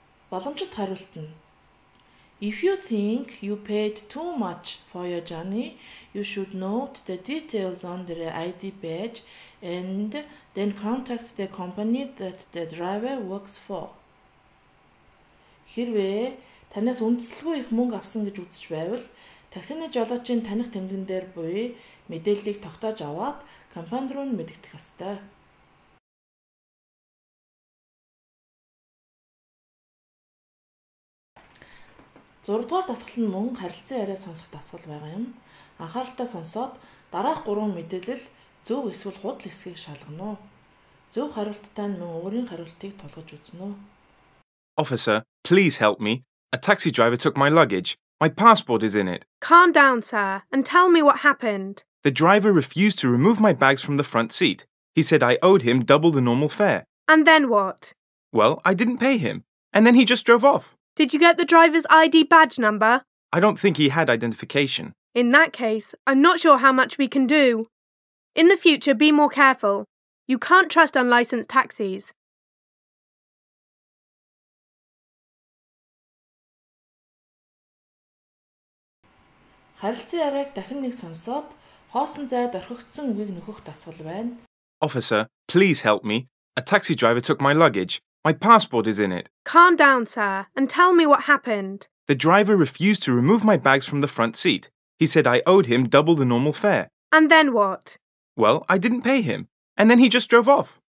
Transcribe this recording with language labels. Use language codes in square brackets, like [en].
[mn] Боломжит хариулт нь. [en] If you think you paid too much for your journey, you should note the details on the ID badge and then contact the company that the driver works for. [mn] Хэрвээ танаас үндэслэхгүй их мөнгө авсан гэж үзэж байвал таксины жолоочийн таних тэмдэгэн дээр буй мэдээллийг тогтоож аваад компанид руу мэдэгдэх ёстой. Зурдуур дасгал нь мөн харилцан яриа сонсох дасгал байгаа юм. Анхааралтай сонсоод дараах 3 мэдээлэл зөв эсвэл худал эсэхийг шалгана уу. Зөв хариулттай нь мөн өөрийн хариултыг тулгаж үзнэ үү. [en] Officer, please help me. A taxi driver took my luggage. My passport is in it. Calm down, sir, and tell me what happened. The driver refused to remove my bags from the front seat. He said I owed him double the normal fare. And then what? Well, I didn't pay him, and then he just drove off. Did you get the driver's ID badge number? I don't think he had identification. In that case, I'm not sure how much we can do. In the future, be more careful. You can't trust unlicensed taxis. [mn] Харилцан яриаг дахин нэг сонсоод хоосон зайд орхигдсон үгийг нөхөх тасгал байна. [en] Officer, please help me. A taxi driver took my luggage. My passport is in it. Calm down, sir, and tell me what happened. The driver refused to remove my bags from the front seat. He said I owed him double the normal fare. And then what? Well, I didn't pay him. And then he just drove off.